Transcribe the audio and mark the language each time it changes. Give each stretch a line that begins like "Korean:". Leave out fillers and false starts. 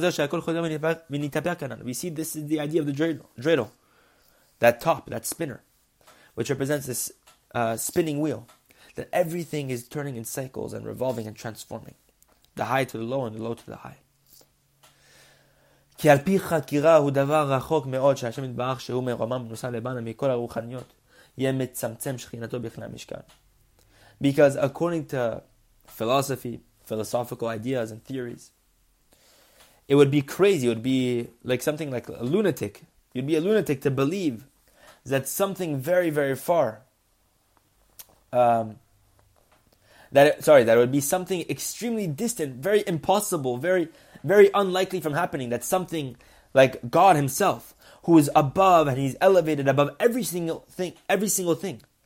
English: We see this is the idea of the dreidel, that top, that spinner, which represents this spinning wheel, that everything is turning in cycles and revolving and transforming. The high to the low and the low to the high.
Hebrew: כי על פי חקירה הוא דבר רחוק מאוד שהשם יתברך שהוא מרומם בנוסע לבנה מכל הרוחניות יהיה מצמצם שכינתו בכלי המשכן.
English: Because according to philosophy, philosophical ideas and theories, it would be crazy, it would be like something like a lunatic. You'd be a lunatic to believe that something very, very far, that it would be something extremely distant, very impossible, very, very unlikely from happening, that something like God Himself, who is above and He's elevated above every single thing, every single thing.